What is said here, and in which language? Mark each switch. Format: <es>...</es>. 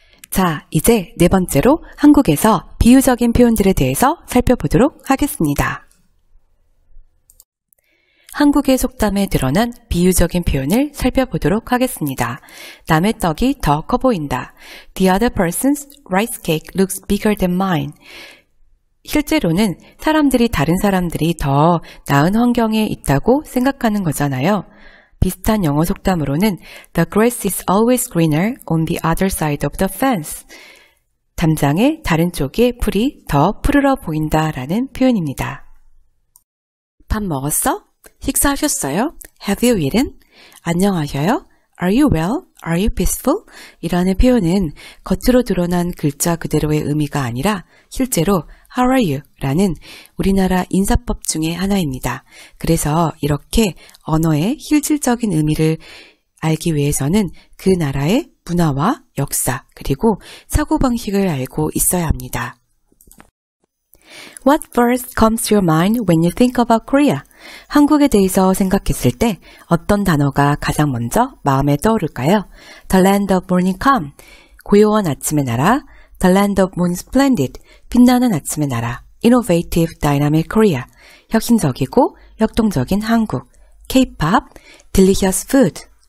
<ko>자, 이제 네 번째로 한국에서 비유적인 표현들에 대해서 살펴보도록 하겠습니다. 한국의 속담에 드러난 비유적인 표현을 살펴보도록 하겠습니다. 남의 떡이 더 커 보인다.</ko> <en>The other person's rice cake looks bigger than mine.</en> <ko>실제로는 사람들이 다른 사람들이 더 나은 환경에 있다고 생각하는 거잖아요. 비슷한 영어 속담으로는</ko> <en>The grass is always greener on the other side of the fence.</en> <ko>담장의 다른 쪽에 풀이 더 푸르러 보인다 라는 표현입니다. 밥 먹었어? 식사하셨어요?</ko> <en>Have you eaten?</en> <ko>안녕하셔요?</ko> <en>Are you well? Are you peaceful?</en> <ko>이라는 표현은 겉으로 드러난 글자 그대로의 의미가 아니라 실제로</ko> <en>How are you?</en> <ko>라는 우리나라 인사법 중에 하나입니다. 그래서 이렇게 언어의 실질적인 의미를 알기 위해서는 그 나라의 문화와 역사 그리고 사고방식을 알고 있어야 합니다.</ko> <en>What first comes to your mind when you think about Korea?</en> <ko>한국에 대해서 생각했을 때 어떤 단어가 가장 먼저 마음에 떠오를까요?</ko> <en>The land of morning calm,</en> <ko>고요한 아침의 나라,</ko> <en>The land of moon splendid,</en> <ko>빛나는 아침의 나라,</ko> <en>Innovative dynamic Korea,</en> <ko>혁신적이고 역동적인 한국,</ko> <en>K-pop, delicious food.</en>